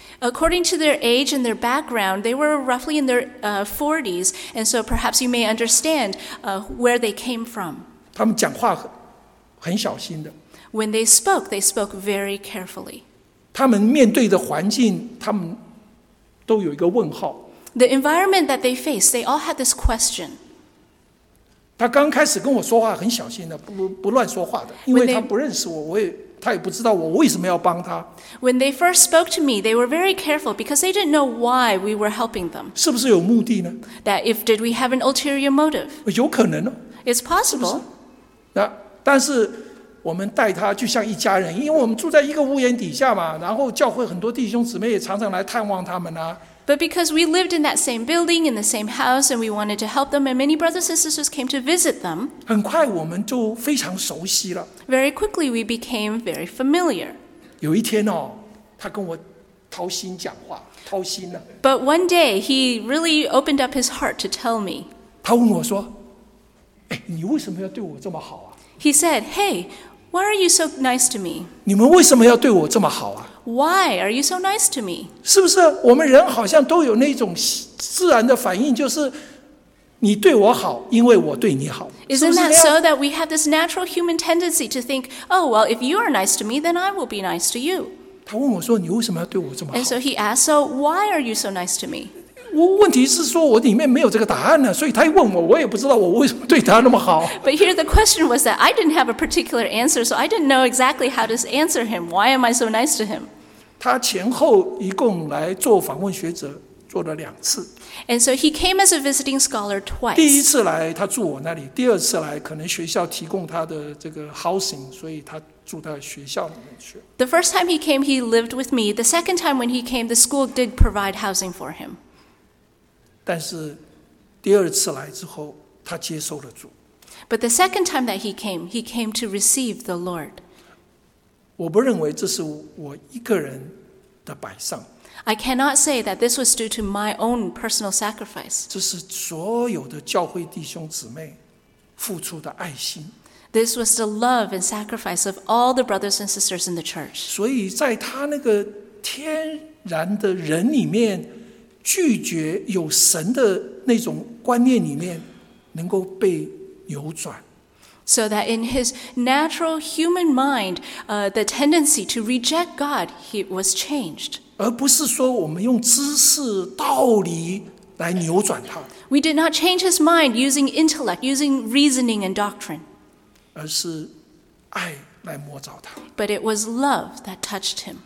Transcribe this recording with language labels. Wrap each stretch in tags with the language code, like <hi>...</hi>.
<en>According to their age and their background, they were roughly in their 40s, and so perhaps you may understand where they came from.</en> <zh>他们讲话 很小心的。</zh> <en>When they spoke very carefully.</en> <zh>他们面对的环境，他们都有一个问号。</zh> <en>The environment that they faced, they all had this question.</en> <zh>他刚开始跟我说话很小心的，不乱说话的，因为他不认识我，我也他也不知道我为什么要帮他。</zh> <en>When they first spoke to me, they were very careful because they didn't know why we were helping them.</en> <zh>是不是有目的呢？</zh> <en>That if did we have an ulterior motive?</en> <zh>有可能哦。</zh> <en>It's possible.</en> <zh>是不是？但是我们待他就像一家人，因为我们住在一个屋檐底下嘛，然后教会很多弟兄姊妹也常常来探望他们啊。</zh> <en>But because we lived in that same building, in the same house, and we wanted to help them, and many brothers and sisters came to visit them,</en> <zh>很快我们就非常熟悉了。</zh> <en>Very quickly, we became very familiar.</en> <zh>有一天哦，他跟我掏心讲话，掏心了。</zh> <en>But one day, he really opened up his heart to tell me.</en> <zh>他问我说，哎，你为什么要对我这么好啊？</zh> <en>He said, hey, why are you so nice to me?</en> <zh>你们为什么要对我这么好啊？</zh> <en>Why are you so nice to me?</en> <zh>是不是我们人好像都有那种自然的反应，就是你对我好，因为我对你好。</zh> <en>Isn't that so that we have this natural human tendency to think, oh, well, if you are nice to me, then I will be nice to you.</en> <zh>他问我说，你为什么要对我这么好？</zh> <en>And so he asked, so why are you so nice to me?</en> <zh>问题是说我里面没有这个答案呢，所以他问我，我也不知道我为什么对他那么好。</zh> <en>But here the question was that I didn't have a particular answer, so I didn't know exactly how to answer him. Why am I so nice to him?</en> <zh>他前后一共来做访问学者做了两次。</zh> <en>And so he came as a visiting scholar twice.</en> <zh>第一次来他住我那里，第二次来可能学校提供他的这个 housing， 所以他住在学校里面去。</zh> <en>The first time he came, he lived with me. The second time when he came, the school did provide housing for him.</en> <zh>但是第二次来之后，他接受了主。</zh> <en>But the second time that he came to receive the Lord.</en> <zh>我不认为这是我一个人的摆上。</zh> <en>I cannot say that this was due to my own personal sacrifice.</en> <zh>这是所有的教会弟兄姊妹付出的爱心。</zh> <en>This was the love and sacrifice of all the brothers and sisters in the church.</en> <zh>所以在他那个天然的人里面，拒绝有神的那种观念里面，能够被扭转。</zh> <en>So that in his natural human mind, the tendency to reject God, he was changed.</en> <zh>而不是说我们用知识、道理来扭转他。</zh> <en>We did not change his mind using intellect, using reasoning and doctrine.</en> <zh>而是爱来摸着他。</zh> <en>But it was love that touched him.</en>